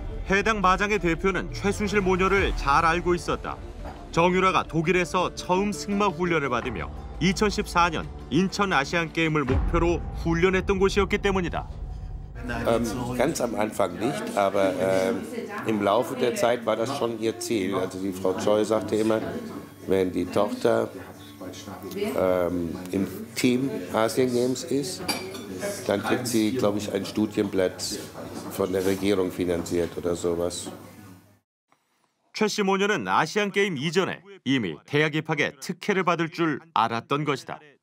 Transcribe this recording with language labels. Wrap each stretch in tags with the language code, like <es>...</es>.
<ko>해당 마장의 대표는 최순실 모녀를 잘 알고 있었다. 정유라가 독일에서 처음 승마 훈련을 받으며 2014년 인천 아시안 게임을 목표로 훈련했던 곳이었기 때문이다.</ko> <de>Ganz am Anfang nicht, aber im Laufe der Zeit war das schon ihr Ziel. Also die Frau Choi sagte immer, wenn die Tochter im Team Asian Games ist, dann kriegt sie, glaube ich, ein Studienplatz von der Regierung finanziert oder sowas.</de> <ko>최씨 모녀는 아시안게임 이전에 이미 대학 입학에 특혜를 받을 줄 알았던 것이다.</ko>